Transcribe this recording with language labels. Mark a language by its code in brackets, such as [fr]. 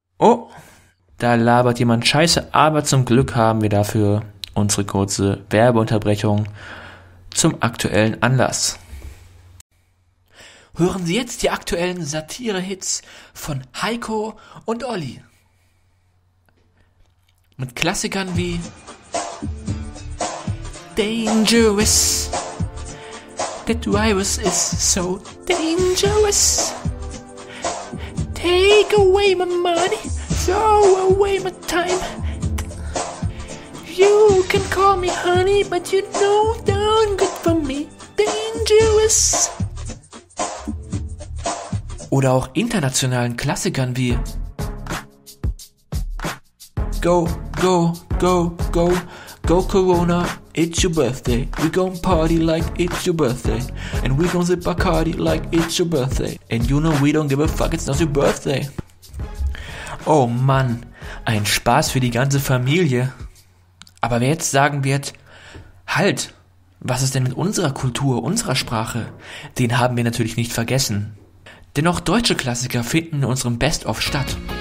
[de] Oh, da labert jemand Scheiße, aber zum Glück haben wir dafür unsere kurze Werbeunterbrechung zum aktuellen Anlass. Hören Sie jetzt die aktuellen Satire-Hits von Heiko und Olli. Mit Klassikern wie Dangerous. [en] That virus is so dangerous. Take away my money, throw away my time. You can call me honey, but you know darn good for me. Dangerous. [de] Oder auch internationalen Klassikern wie [en] Go, go, go, go, go Corona, it's your birthday. We gon' party like it's your birthday. And we gon' sip Bacardi like it's your birthday. And you know we don't give a fuck, it's not your birthday. [de] Oh Mann, ein Spaß für die ganze Familie. Aber wer jetzt sagen wird, halt, was ist denn mit unserer Kultur, unserer Sprache? Den haben wir natürlich nicht vergessen. Denn auch deutsche Klassiker finden in unserem Best-of statt.